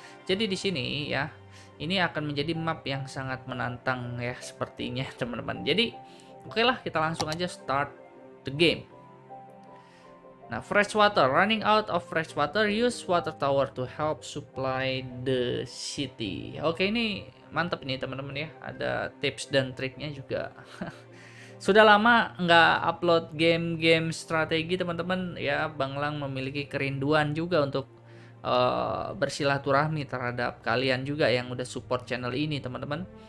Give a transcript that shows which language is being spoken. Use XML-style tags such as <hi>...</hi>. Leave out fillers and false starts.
<id>Jadi di sini ya, ini akan menjadi map yang sangat menantang ya sepertinya teman-teman. Jadi oke lah, kita langsung aja</id> <en>start the game. Nah, fresh water, running out of fresh water, use water tower to help supply the city.</en> <id>Oke, ini mantep nih teman-teman ya, ada tips dan triknya juga. Sudah lama nggak upload game-game strategi teman-teman ya, Bang Lang memiliki kerinduan juga untuk bersilaturahmi terhadap kalian juga yang udah support channel ini teman-teman.</id>